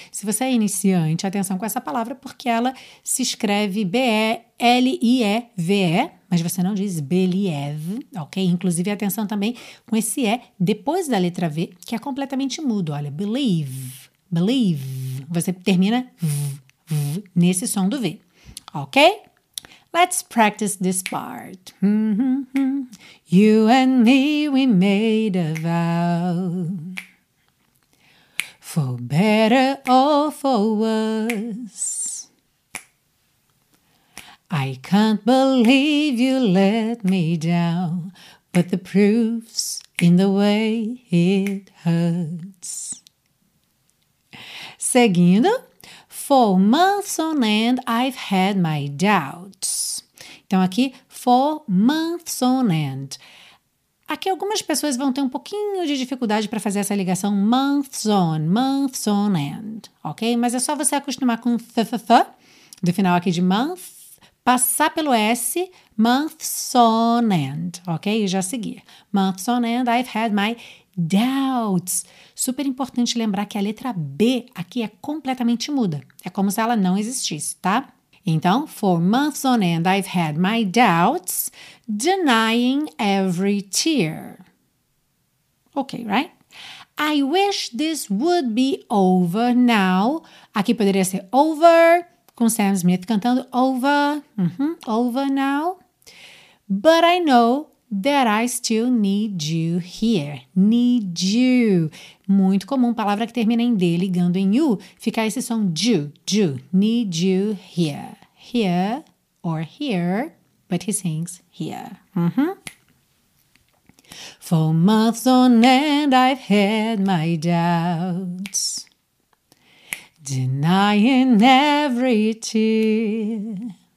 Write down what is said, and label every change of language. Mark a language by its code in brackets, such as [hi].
[pt] Se você é iniciante, atenção com essa palavra, porque ela se escreve B-E-L-I-E-V-E, mas você não diz believe, ok? Inclusive, atenção também com esse E depois da letra V, que é completamente mudo. Olha, believe, believe. Você termina v, v, nesse som do V, ok? [en] Let's practice this part. You and me, we made a vow. For better or for worse, I can't believe you let me down, but the proof's in the way it hurts. Seguindo, for months on end I've had my doubts. [pt] Então aqui, [en] for months on end. [pt] Aqui algumas pessoas vão ter um pouquinho de dificuldade para fazer essa ligação [en] months on end, [pt] ok? Mas é só você acostumar com th do final aqui de month, passar pelo S, [en] months on end, [pt] ok? E já seguir. [en] Months on end, I've had my doubts. [pt] Super importante lembrar que a letra B aqui é completamente muda. É como se ela não existisse, tá? [en] Então, for months on end, I've had my doubts, denying every tear. Okay, right? I wish this would be over now. [pt] Aqui poderia ser over, com Sam Smith cantando over, [en] over now. But I know that I still need you here. Need you. [pt] Muito comum, palavra que termina em D, ligando em U, fica esse som ju, ju, [en] need you here. Here or here, but he sings here. For months on end, I've had my doubts, denying every tear.